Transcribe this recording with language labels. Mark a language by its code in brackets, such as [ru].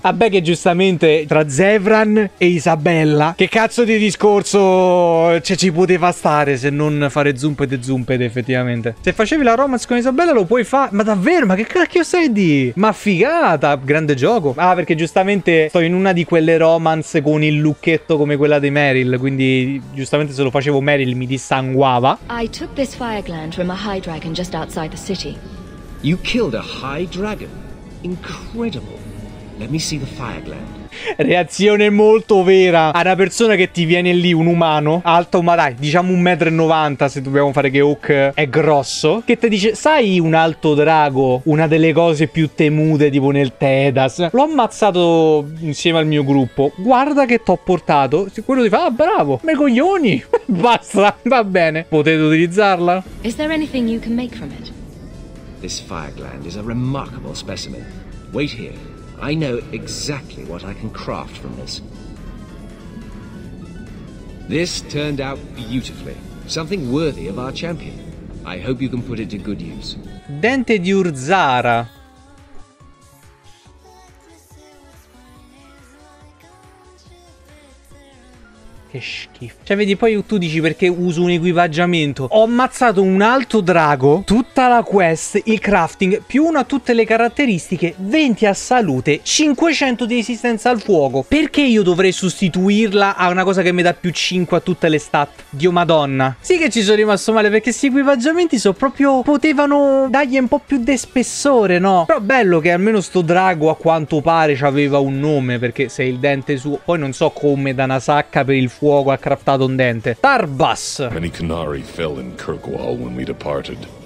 [it] Vabbè che giustamente tra Zevran e Isabella, che cazzo di discorso ci poteva stare se non fare zumpede zumpede effettivamente. Se facevi la romance con Isabella lo puoi fare. Ma davvero? Ma che cacchio sei di? Ma figata, grande gioco. Ah, perché giustamente sto in una di quelle romance con il lucchetto come quella di Meryl, quindi giustamente se lo facevo Meryl mi dissanguava. [en] I took this fire gland from a high dragon just outside the city. You killed a high dragon? Incredible. Let me see the fire gland. [it] Reazione molto vera a una persona che ti viene lì, un umano alto, ma dai, diciamo 1,90 m, se dobbiamo fare che Hawk è grosso, che ti dice: sai un alto drago, una delle cose più temute tipo nel Tedas, l'ho ammazzato insieme al mio gruppo, guarda che t'ho portato. Quello ti fa: ah, bravo, me coglioni. Basta, va bene, potete utilizzarla. [en] Is there anything you can make from it? This fire gland is a remarkable specimen. Wait here, I know exactly what I can craft from this. This turned out beautifully. Something worthy of our champion. I hope you can put it to good use. [it] Dente di Urzara. Che schifo. Cioè vedi, poi tu dici: perché uso un equipaggiamento? Ho ammazzato un altro drago, tutta la quest, il crafting, più una a tutte le caratteristiche, 20 a salute, 500 di resistenza al fuoco. Perché io dovrei sostituirla a una cosa che mi dà più 5 a tutte le stat? Dio madonna. Sì che ci sono rimasto male, perché questi equipaggiamenti sono proprio, potevano dargli un po' più di spessore, no? Però bello che almeno sto drago a quanto pare c'aveva un nome, perché se il dente suo, poi non so come da una sacca per il fuoco ha craftato un dente. Tarbas. [en] Many canari fell in Kirkwall when we departed.